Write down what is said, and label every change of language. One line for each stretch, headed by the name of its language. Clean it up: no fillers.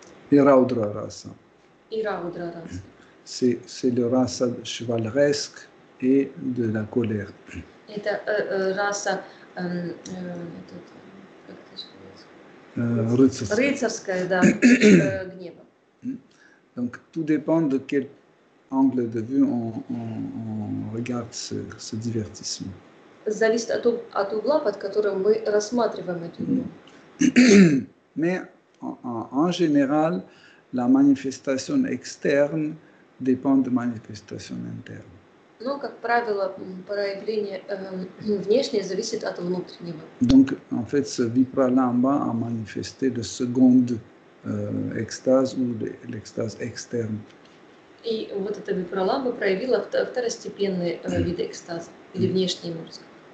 French: Iraudrarasa. C'est le rasa chevaleresque et de la colère.
Russian: Это раса рыцарская, да, гнева.
French: Donc tout dépend de quel angle de vue on regarde ce divertissement.
Russian: Зависит от угла, под которым мы рассматриваем эту игру.
French: Mais en général, la manifestation externe dépend de manifestation interne.
Russian: Но, как правило, проявление внешнее зависит от внутреннего.
French: Donc, en fait, ce vipralamba a manifesté le second extase ou l'extase externe.
Russian: И вот эта випраламба проявила второстепенные виды экстаза или внешние, можно сказать.